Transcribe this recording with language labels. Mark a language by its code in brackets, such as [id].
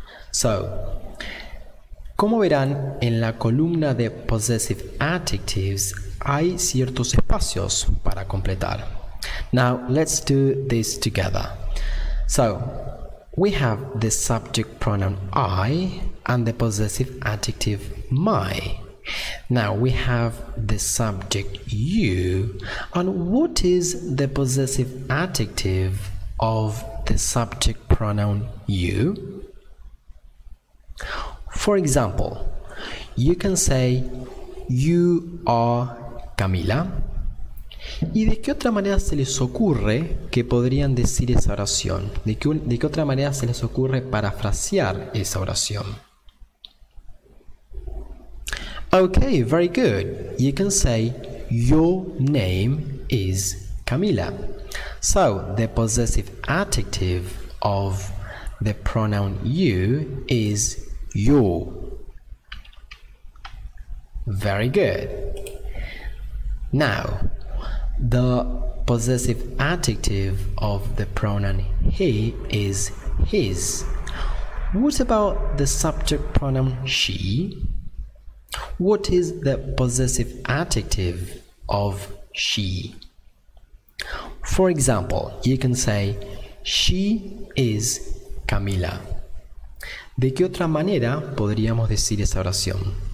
[es] So, como verán, en la columna de possessive adjectives hay ciertos espacios para completar. [en] Now, let's do this together. So, we have the subject pronoun I and the possessive adjective my. Now, we have the subject you. And what is the possessive adjective of the subject pronoun you? For example, you can say, you are Camila. [es] ¿Y de qué otra manera se les ocurre que podrían decir esa oración? ¿De qué otra manera se les ocurre parafrasear esa oración? [en] Okay, very good. You can say, your name is Camila. Camila. So the possessive adjective of the pronoun you is you. Very good. Now, the possessive adjective of the pronoun he is his. What about the subject pronoun she? What is the possessive adjective of she? For example, you can say, she is Camila. [es] ¿De qué otra manera podríamos decir esa oración?